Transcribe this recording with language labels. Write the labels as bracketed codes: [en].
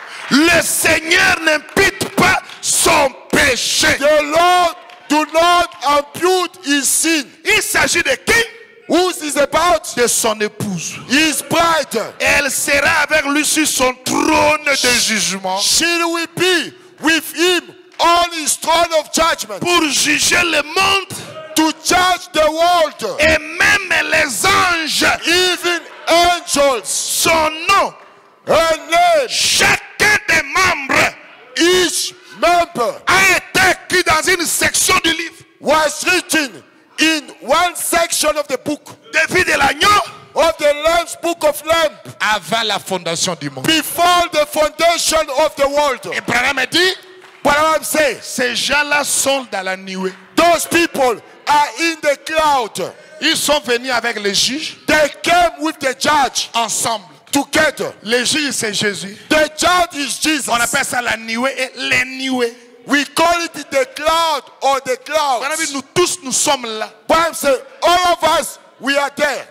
[fr] Le Seigneur n'impute pas son péché. [en] The Lord do not impute his sin. [fr] Il s'agit de qui? [en] Who is about? [fr] De son épouse. [en] His bride. [fr] Elle sera avec lui sur son trône de jugement. [en] She will be with him on his throne of judgment. [fr] Pour juger le monde. [en] To judge the world. [fr] Et même les anges. [en] Even angels. [fr] Son nom. [en] Her name. [fr] Chacun des membres. [en] Each member. [fr] A été écrit dans une section du livre. [en] Was written in one section of the book. [fr] De vie de l'agneau. [en] Of the Lamb's Book of Lamb. [fr] Avant la fondation du monde. [en] Before the foundation of the world. [fr] Et Abraham dit. [en] Abraham said. [fr] Ces gens-là sont dans la nuée. [en] Those people are in the cloud. [fr] Ils sont venus avec les juges. [en] They came with the judge. [fr] Ensemble. [en] Together. [fr] Les juges, c'est Jésus. [en] The judge is Jesus. [fr] On appelle ça la nuée et les nuées. [en] We call it the cloud or the clouds. [fr] Bon, nous tous, nous sommes là. Bon, c'est, [en] all of us, we are there.